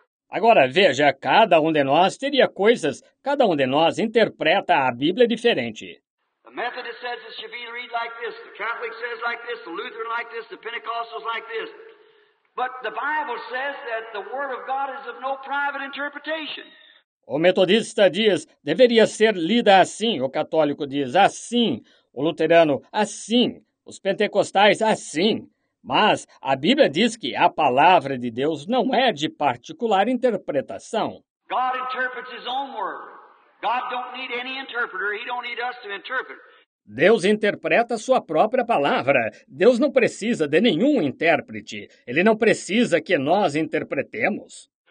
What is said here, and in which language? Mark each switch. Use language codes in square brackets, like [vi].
[pt] Agora, veja, cada um de nós teria coisas, cada um de nós interpreta a Bíblia diferente. [en] The Methodist says it should be read like this, the Catholic says like this, the Lutheran like this, the Pentecostals like this. But the Bible says that the Word of God is of no private interpretation. [pt] O metodista diz, deveria ser lida assim, o católico diz assim, o luterano assim, os pentecostais assim. Mas a Bíblia diz que a palavra de Deus não é de particular interpretação. [en] God interprets his own word. God don't need any interpreter. He don't need us to interpret. [pt] Deus interpreta a sua própria palavra. Deus não precisa de nenhum intérprete. Ele não precisa que nós interpretemos.